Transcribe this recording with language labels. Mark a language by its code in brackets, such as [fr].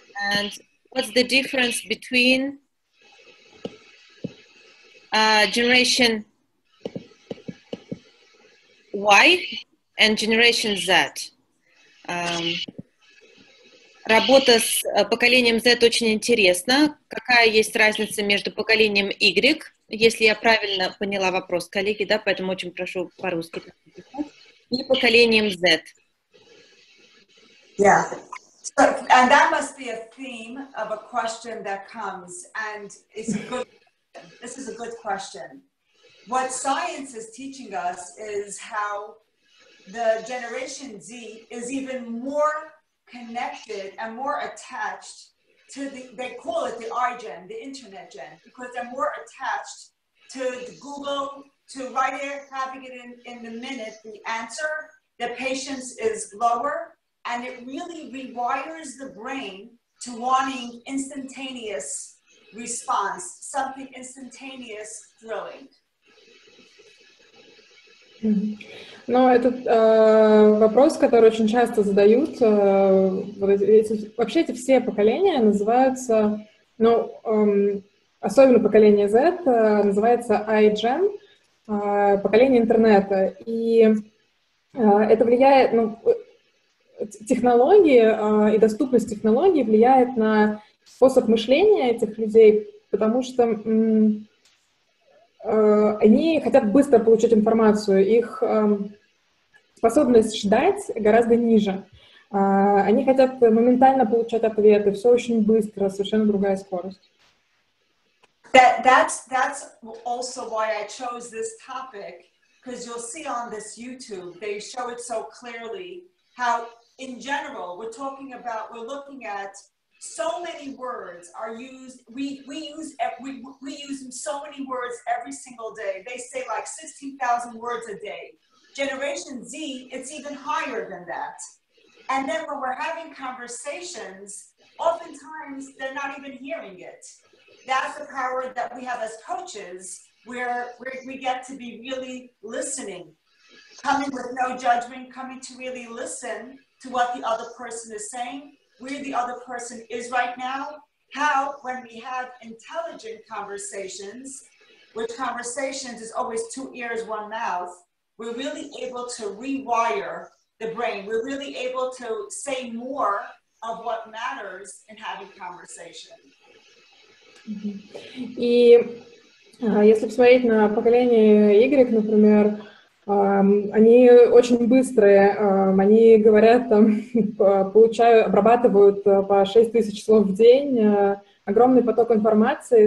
[en] And what's the difference between Generation Y and Generation Z? [ru] Работа с поколением Z очень интересна. Какая есть разница между поколением Y? Если я правильно поняла вопрос, коллеги, да, поэтому очень прошу по-русски. И поколением Z. [en] Yeah. So, and that must be a theme of a question that comes, and it's a good. This is a good question. What science is teaching us is how the Generation Z is even more connected and more attached to the, they call it the iGen, the internet gen, because they're more attached to Google, to right here, having it in the minute, the answer, the patience is lower, and it really rewires the brain to wanting instantaneous response, something instantaneous, thrilling. [ru] Но этот вопрос, который очень часто задают, вот эти, вообще эти все поколения называются, ну, особенно поколение Z, называется iGen, поколение интернета. И это влияет, ну, технологии и доступность технологий влияет на способ мышления этих людей, потому что... они хотят быстро получить информацию, их способность ждать гораздо ниже. Они хотят моментально получать ответы, все очень быстро, совершенно другая скорость. [en] That's also why I chose this topic, because you'll see on this YouTube, they show it so clearly, how in general we're talking about, we're looking at so many words are used, we use so many words every single day. They say like 16,000 words a day. Generation Z, it's even higher than that. And then when we're having conversations, oftentimes they're not even hearing it. That's the power that we have as coaches, where we get to be really listening, coming with no judgment, coming to really listen to what the other person is saying, where the other person is right now, how, when we have intelligent conversations, which conversations is always two ears, one mouth, we're really able to rewire the brain. We're really able to say more of what matters in having conversation. [ru] И если посмотреть на поколение Y, например, они очень быстрые, они говорят, там, получают, обрабатывают по 6000 слов в день, огромный поток информации.